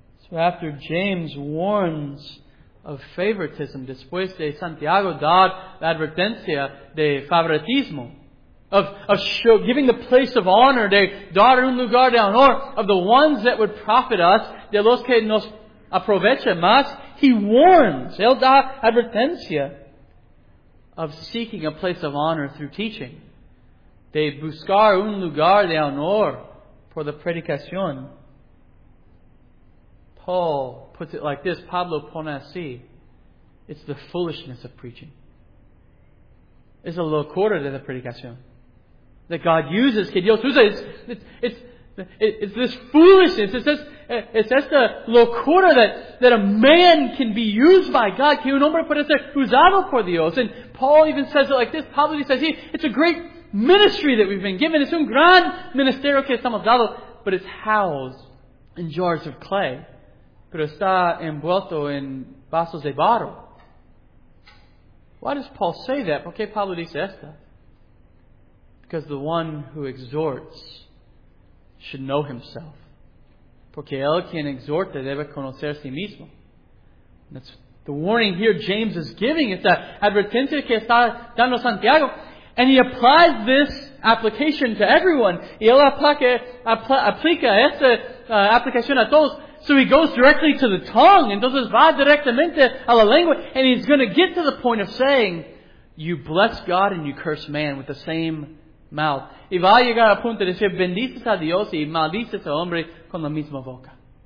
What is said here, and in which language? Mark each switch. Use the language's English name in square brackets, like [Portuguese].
[English] So after James warns of favoritism, [Spanish] después de Santiago dar la advertencia de favoritismo, [English] of giving the place of honor, [Spanish] de dar un lugar de honor, [English] of the ones that would profit us, [Spanish] de los que nos aprovechan más, [English] he warns, [Spanish] él da advertencia, [English] of seeking a place of honor through teaching. [Spanish] De buscar un lugar de honor por la predicación. [English] Paul puts it like this, [Spanish] Pablo pone así, [English] it's the foolishness of preaching. It's a [Spanish] locura de la predicación. [English] That God uses, [Spanish] que Dios usa, [English] it's this foolishness, it's [Spanish] esta locura [English] that a man can be used by God, [Spanish] que un hombre puede ser usado por Dios. [English] And Paul even says it like this, Pablo says, it's a great ministry that we've been given, it's [Spanish] un gran ministerio que estamos dado, [English] but it's housed in jars of clay, [Spanish] pero está envuelto en vasos de barro. [English] Why does Paul say that? [Spanish] ¿Por qué Pablo dice esto? [English] Because the one who exhorts should know himself. Porque el quien exhorta debe conocer a sí mismo. And that's the warning here James is giving. It's that [Spanish] advertencia que está dando Santiago. [English] And he applies this application to everyone. [Spanish] Y él aplica esta aplicación a todos. [English] So he goes directly to the tongue. [Spanish] Entonces va directamente a la lengua. [English] And he's going to get to the point of saying, you bless God and you curse man with the same mouth. [Spanish] Y va a llegar al punto de decir, bendices a Dios y maldices al hombre con la misma boca.